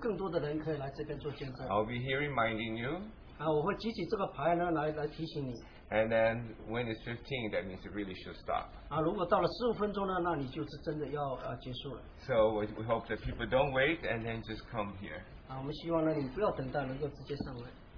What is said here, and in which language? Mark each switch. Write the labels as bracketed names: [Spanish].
[Chinese] 我们把时间呢限定在10分钟了，让我们有更多的人可以来这边做见证。 [English] I'll be here reminding you. [Chinese] 我会举起这个牌呢，来提醒你。 [English] And then when it's 15, that means it really should stop. [Chinese] 如果到了15分钟呢，那你就是真的要结束了。 [English] So we hope that people don't wait and then just come here. [Chinese] 我们希望呢，你不要等待，能够直接上来。